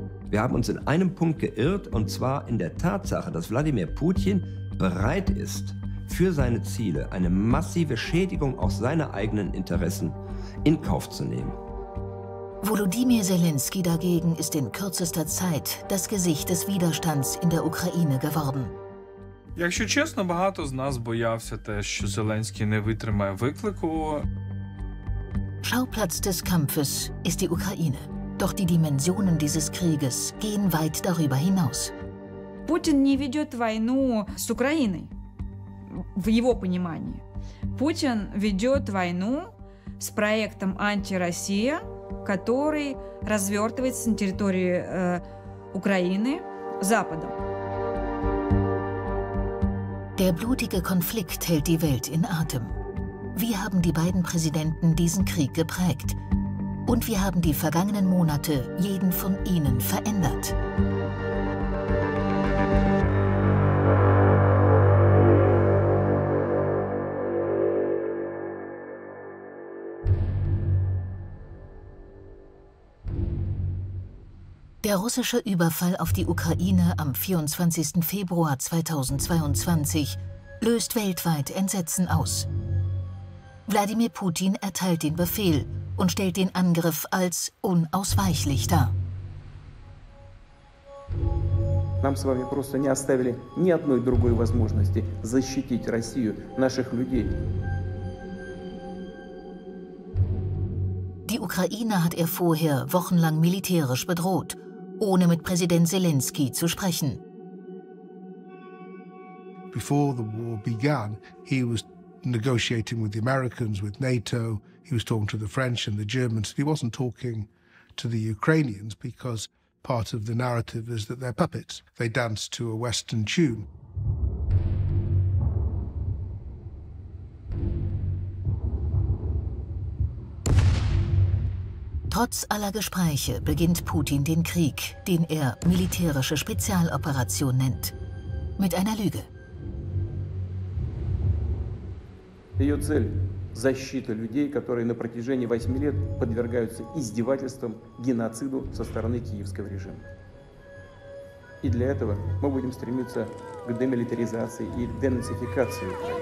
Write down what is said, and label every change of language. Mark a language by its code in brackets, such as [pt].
[de] Wir haben uns in einem Punkt geirrt, und zwar in der Tatsache, dass Wladimir Putin bereit ist, für seine Ziele eine massive Schädigung auch seiner eigenen Interessen in Kauf zu nehmen. Volodymyr Selenskyj dagegen ist in kürzester Zeit das Gesicht des Widerstands in der Ukraine geworden. [uk] Якщо чесно, багато з нас боявся те, що Зеленський не витримає виклику. [de] Schauplatz des Kampfes ist die Ukraine. Doch die Dimensionen dieses Krieges gehen weit darüber hinaus. [uk] Путін не ведет війну з Україною. В його розумінні. Путін ведет війну з проектом антиросія, який розвертується на території України Западом. [de] Der blutige Konflikt hält die Welt in Atem. Wie haben die beiden Präsidenten diesen Krieg geprägt? Und wie haben die vergangenen Monate jeden von ihnen verändert? Der russische Überfall auf die Ukraine am 24. Februar 2022 löst weltweit Entsetzen aus. Wladimir Putin erteilt den Befehl und stellt den Angriff als unausweichlich dar. [ru] Нам с вами просто не оставили ни одной другой возможности защитить Россию, наших людей. [de] Die Ukraine hat er vorher wochenlang militärisch bedroht, ohne mit Präsident Selenskyj zu sprechen. [en] Before the war began, he was negotiating with the Americans, with NATO, he was talking to the French and the Germans. He wasn't talking to the Ukrainians, because part of the narrative is that they're puppets. They dance to a Western tune. [de] Trotz aller Gespräche beginnt Putin den Krieg, den er militärische Spezialoperation nennt, mit einer Lüge. [ru] Ее цель – защита людей, которые на протяжении 8 лет подвергаются издевательствам, геноциду со стороны киевского режима. И для этого мы будем стремиться к демилитаризации и денацификации.